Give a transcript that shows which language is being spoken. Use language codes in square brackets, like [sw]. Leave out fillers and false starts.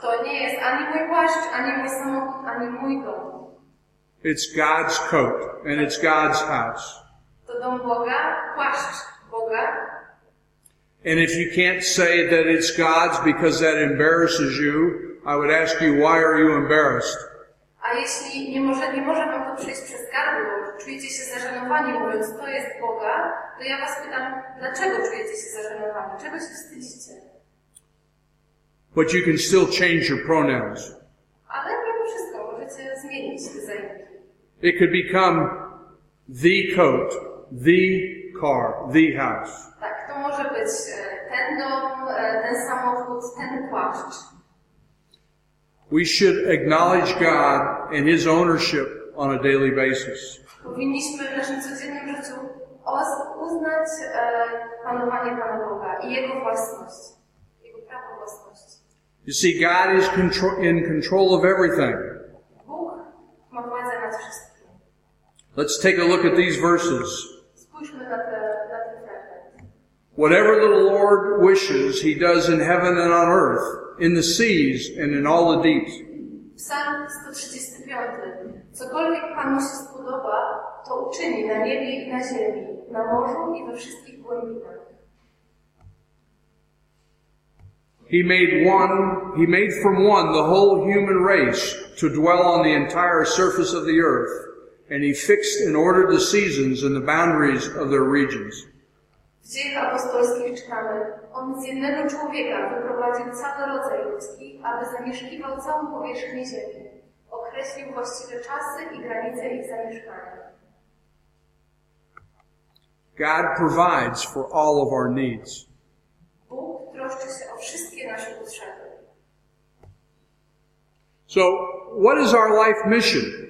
[pl] To nie jest ani mój płaszcz, ani mój samochód, ani mój dom. [en] It's God's coat and it's God's house. [pl] To dom Boga, płaszcz Boga. [en] And if you can't say that it's God's because that embarrasses you, I would ask you, why are you embarrassed? [pl] A jeśli nie może wam to przejść przez gardło, czujecie się zażenowani, mówiąc, to jest Boga, to ja was pytam, dlaczego czujecie się zażenowani? Czego się wstydzicie? [en] But you can still change your pronouns. [pl] Ale mimo wszystko możecie zmienić te zajęki. [en] It could become the coat, the car, the house. [pl] Tak, to może być ten dom, ten samochód, ten płaszcz. [en] We should acknowledge God and His ownership on a daily basis. [pl] Powinniśmy w naszym codziennym życiu uznać panowanie Pana Boga i Jego własność, Jego prawo własności. [en] You see, God is in control of everything. [pl] Bóg ma władzę nad wszystkim. [en] Let's take a look at these verses. [pl] Spójrzmy na te fragmenty. [en] Whatever the Lord wishes, He does in heaven and on earth. In the seas and in all the deeps. Psalm 135. [pl] Cokolwiek Panu się spodoba, to uczyni na niebie i na ziemi, na morzu i we wszystkich głębinach. [en] He made from one the whole human race to dwell on the entire surface of the earth, and he fixed and ordered the seasons and the boundaries of their regions. [pl] W dziejach apostolskich czytamy, on z jednego człowieka wyprowadził cały rodzaj ludzki, aby zamieszkiwał całą powierzchnię ziemi. Określił właściwe czasy i granice ich zamieszkania. [en] God provides for all of our needs. [pl] Bóg troszczy się o wszystkie nasze potrzeby. [en] So, what is our life mission?